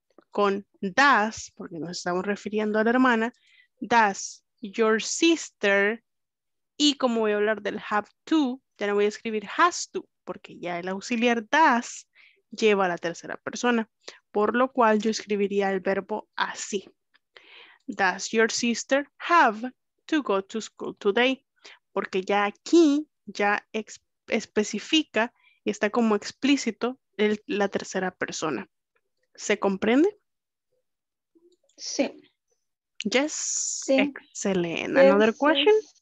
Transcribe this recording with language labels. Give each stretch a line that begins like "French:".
Spanish: Con does, porque nos estamos refiriendo a la hermana,
English: does your sister,
Spanish: y como voy a hablar del have to, ya no voy a escribir has to, porque ya el auxiliar does lleva a la tercera persona, por lo cual yo escribiría el verbo así.
English: Does your sister have to go to school today?
Spanish: Porque ya aquí ya especifica y está como explícito la tercera persona. ¿Se comprende? Sí.
English: Yes.
Spanish: Sí. Excelente.
English: Another question.